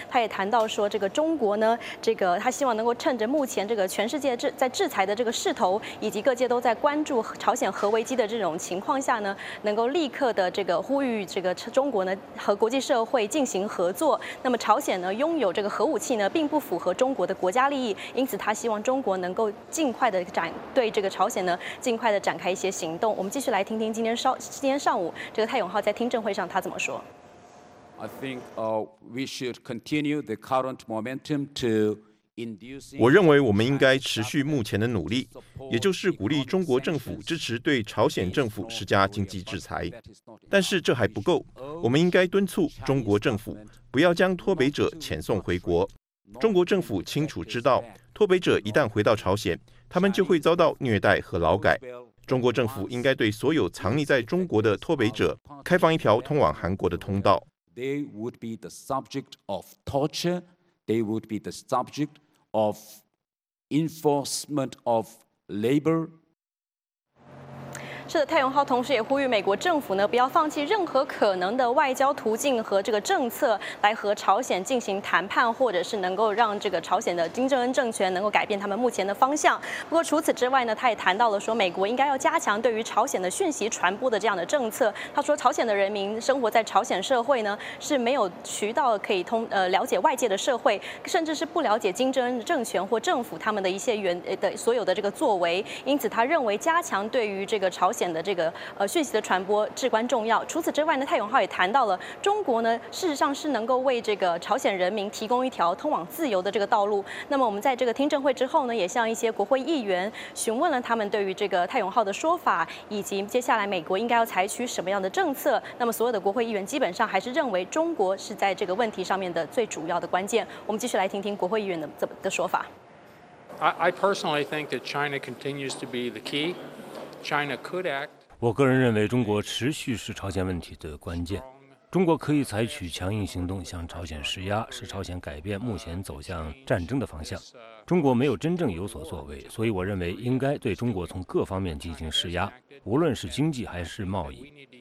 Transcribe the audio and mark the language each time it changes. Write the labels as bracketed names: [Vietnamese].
[Chinese] 他也谈到说，这个中国呢，这个他希望能够趁着目前这个全世界在制裁的这个势头，以及各界都在关注朝鲜核危机的这种情况下呢，能够立刻的这个呼吁这个中国呢和国际社会进行合作。那么朝鲜呢拥有这个核武器呢，并不符合中国的国家利益，因此他希望中国能够尽快的对这个朝鲜呢尽快的展开一些行动。我们继续来听听今天上午这个泰永浩在听证会上他怎么说。 [English] I think we should continue the current momentum to induce. [Chinese] 我认为我们应该持续目前的努力，也就是鼓励中国政府支持对朝鲜政府施加经济制裁。但是这还不够，我们应该敦促中国政府不要将脱北者遣送回国。中国政府清楚知道，脱北者一旦回到朝鲜，他们就会遭到虐待和劳改。中国政府应该对所有藏匿在中国的脱北者开放一条通往韩国的通道。 [English] They would be the subject of torture. They would be the subject of enforcement of labor. [Chinese] 是的，泰永浩同时也呼吁美国政府呢，不要放弃任何可能的外交途径和这个政策来和朝鲜进行谈判，或者是能够让这个朝鲜的金正恩政权能够改变他们目前的方向。不过除此之外呢，他也谈到了说，美国应该要加强对于朝鲜的讯息传播的这样的政策。他说，朝鲜的人民生活在朝鲜社会呢，是没有渠道可以了解外界的社会，甚至是不了解金正恩政权或政府他们的一些所有的这个作为。因此，他认为加强对于这个朝鲜的这个讯息的传播至关重要。除此之外呢，泰永浩也谈到了中国呢，事实上是能够为这个朝鲜人民提供一条通往自由的这个道路。那么我们在这个听证会之后呢，也向一些国会议员询问了他们对于这个泰永浩的说法，以及接下来美国应该要采取什么样的政策。那么所有的国会议员基本上还是认为中国是在这个问题上面的最主要的关键。我们继续来听听国会议员的说法。 [English] I personally think that China continues to be the key. [Chinese] 我个人认为中国持续是朝鲜问题的关键。中国可以采取强硬行动向朝鲜施压，使朝鲜改变目前走向战争的方向。中国没有真正有所作为，所以我认为应该对中国从各方面进行施压，无论是经济还是贸易。